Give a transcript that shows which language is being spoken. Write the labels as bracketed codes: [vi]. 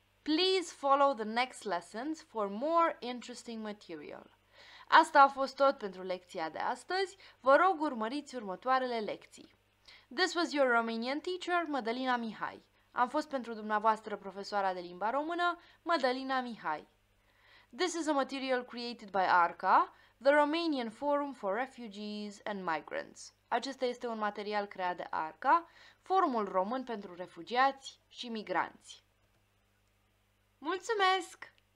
[en] Please follow the next lessons for more interesting material. [ro] Asta a fost tot pentru lecția de astăzi. Vă rog, urmăriți următoarele lecții. [en] This was your Romanian teacher, Mădălina Mihai. [ro] Am fost pentru dumneavoastră profesoara de limba română, Mădălina Mihai. [en] This is a material created by ARCA, the Romanian Forum for Refugees and Migrants. [ro] Acesta este un material creat de ARCA, Forumul Român pentru Refugiați și Migranți. Mulțumesc!